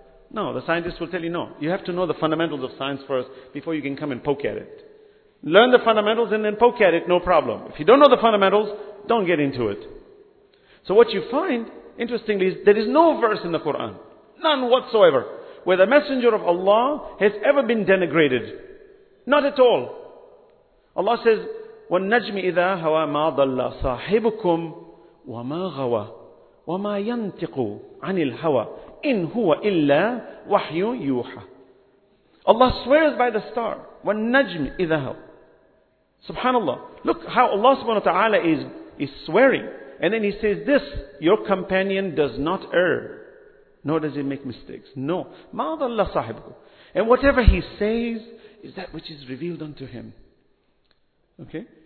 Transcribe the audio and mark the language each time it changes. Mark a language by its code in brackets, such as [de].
[en] No, the scientists will tell you no. You have to know the fundamentals of science first before you can come and poke at it. Learn the fundamentals and then poke at it, no problem. If you don't know the fundamentals, don't get into it. So what you find, interestingly, is there is no verse in the Quran. None whatsoever. Where the Messenger of Allah has ever been denigrated. Not at all. Allah says, [ar] وَالنَّجْمِ إِذَا هَوَى مَا ضَلَّ صَاحِبُكُمْ وَمَا غَوَى وَمَا يَنْتِقُوا عَنِ الْهَوَى إِنْ هُوَ إِلَّا وَحْيُ يُوحَى. [en] Allah swears by the star. [ar] وَالنَّجْمِ إِذَا هَوَى. Subhanallah. [en] Look how Allah subhanahu wa ta'ala is swearing. And then He says this, your companion does not err. Nor does he make mistakes. No. [ar] مَا ضَلَّ صَاحِبُكُمْ. [en] And whatever he says is that which is revealed unto him. Okay?